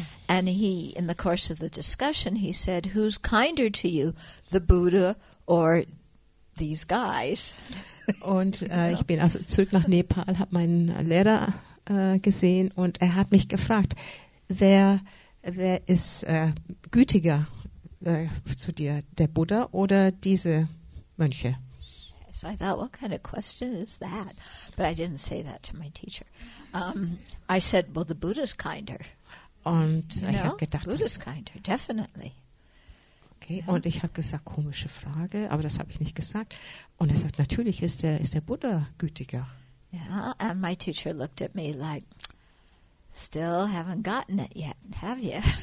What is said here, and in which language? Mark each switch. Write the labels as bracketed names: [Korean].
[English] And he, in the course of the discussion, he said, "Who's kinder to you, the Buddha or these guys?" [German] Und ich bin also zurück nach Nepal, habe meinen Lehrer gesehen und er hat mich gefragt, wer ist gütiger zu dir, der Buddha oder diese Mönche? [English] So I thought, what kind of question is that? But I didn't say that to my teacher. I said, well, the Buddha's kinder. [German] Und ich habe gedacht, [English] Buddha's kinder, definitely. [German] Okay, ja. Und ich habe gesagt, komische Frage, aber das habe ich nicht gesagt. Und er sagt, natürlich ist der Buddha gütiger. [English] Ja, and my teacher looked at me like, still haven't gotten it yet, have you?